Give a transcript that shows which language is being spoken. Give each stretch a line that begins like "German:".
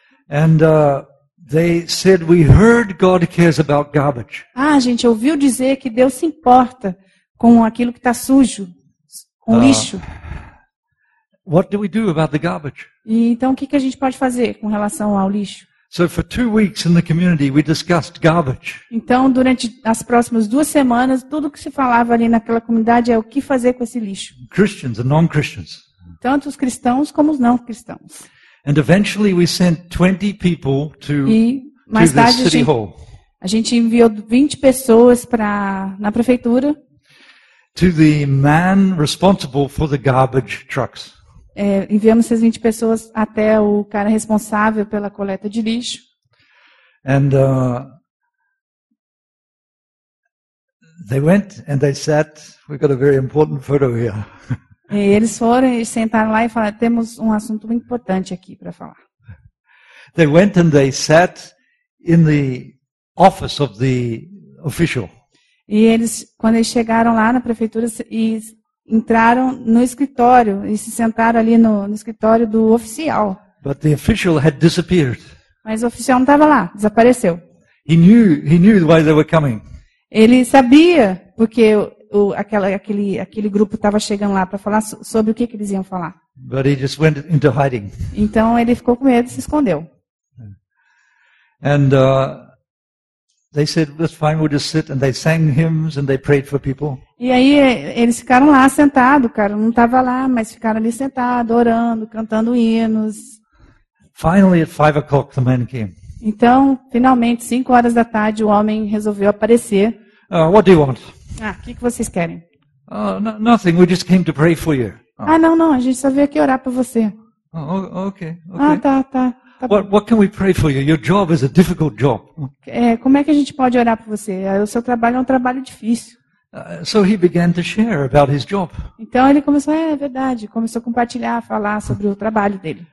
English: And they said, we heard God cares about garbage.
Portuguese: Ah, gente, ouviu dizer que Deus se importa com aquilo que está sujo, com lixo.
English: What do we do about the garbage?
Portuguese: E, então, o que a gente pode fazer com relação ao lixo?
English: So for 2 weeks in the community, we discussed garbage.
Portuguese: Então, durante as próximas 2 semanas, tudo que se falava ali naquela comunidade é o que fazer com esse lixo.
English: Christians and non-Christians.
Portuguese: Tanto os cristãos como os não cristãos.
English: And eventually we sent 20 people to the city hall.
Portuguese: A gente enviou 20 pessoas na prefeitura.
English: To the man responsible for the garbage trucks.
Portuguese: Enviamos essas 20 pessoas até o cara responsável pela coleta de lixo.
English: And they went and they sat. We got a very important photo here.
Portuguese: E eles foram e sentaram lá e falaram, temos um assunto muito importante aqui para falar.
English: They went and they sat in the office of the official.
Portuguese: E eles, quando eles chegaram lá na prefeitura, e entraram no escritório e se sentaram ali no escritório do oficial.
English: But the official had disappeared.
Portuguese: Mas o oficial não estava lá, desapareceu.
English: He knew why they were coming.
Portuguese: Ele sabia porque aquele grupo estava chegando lá para falar sobre o que eles iam falar.
English: But he just went into hiding.
Portuguese: Então ele ficou com medo e se escondeu.
English: And they said, "That's fine, we'll just sit." And they sang hymns and they prayed for people.
Portuguese: E aí eles ficaram lá sentados, cara, não estava lá, mas ficaram ali sentados, orando, cantando hinos.
English: Finally, at 5 o'clock, the man came.
Portuguese: Então, finalmente, 5 horas da tarde, o homem resolveu aparecer.
English: What do you want?
Portuguese: Ah, o que vocês querem?
English: Nothing. We just came to pray for you.
Portuguese: Ah, não. A gente só veio aqui orar para você.
English: Okay.
Portuguese: Ah, tá.
English: What can we pray for you? Your job is a difficult job.
Portuguese: Como é que a gente pode orar para você? O seu trabalho é um trabalho difícil.
English: So he began to share about his job.
Portuguese: Então ele começou, é verdade. Começou a compartilhar, a falar sobre o trabalho dele.